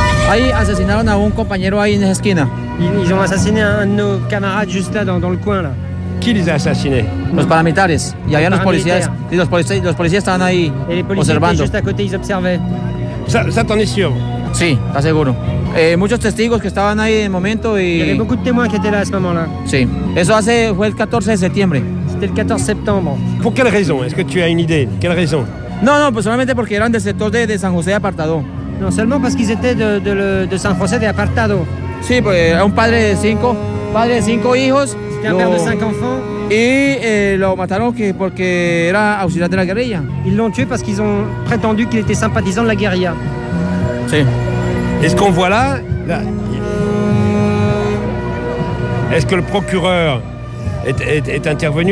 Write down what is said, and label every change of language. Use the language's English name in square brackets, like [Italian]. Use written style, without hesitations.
[Spanish] Ahí asesinaron a un compañero ahí en esa esquina. [French] Ils ont assassiné un de nos camarades juste là dans le coin là. Qui les a assassinés? [Spanish] Los paramilitares. Y había los policías. Y los policías estaban ahí observando. [French] Juste à côté, ils observaient. Ça t'en es sûr? [Spanish] Sí, está seguro. Muchos testigos que estaban ahí en el momento y. Y había [French] beaucoup de témoins qui étaient là à ce moment-là. [Spanish] Sí. Eso fue el 14 de septiembre. [French] C'était le 14 septembre. [Spanish] ¿Por qué razón? ¿Es que tú tienes una idea? ¿Qué razón? No, pues solamente porque eran del sector de San José de Apartado. No, solamente porque eran de San José de Apartado. Sí, pues era un padre de cinco padre de cinco hijos. [French] C'était un père de cinq enfants. Et [Spanish] lo mataron porque era auxiliar de la guerrilla. [French] Ils l'ont tué parce qu'ils ont prétendu qu'il était sympathisant de la guérilla. [Spanish] Si. [French] Et ce qu'on voit là, là, est-ce que le procureur est intervenu?